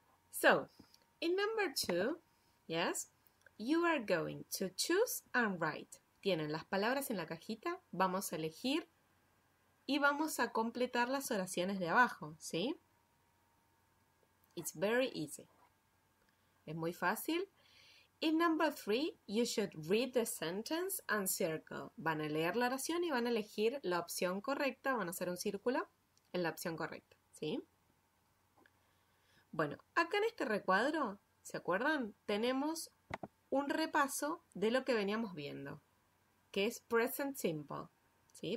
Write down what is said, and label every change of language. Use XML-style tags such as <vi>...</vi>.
<en>So, in number 2, yes, you are going to choose and write.</en> <es>Tienen las palabras en la cajita, vamos a elegir y vamos a completar las oraciones de abajo, ¿sí?</es> <en>It's very easy.</en> <es>Es muy fácil.</es> <en>In number 3, you should read the sentence and circle.</en> <es>Van a leer la oración y van a elegir la opción correcta. Van a hacer un círculo en la opción correcta, ¿sí? Bueno, acá en este recuadro, ¿se acuerdan? Tenemos un repaso de lo que veníamos viendo, que es present simple, ¿sí?</es>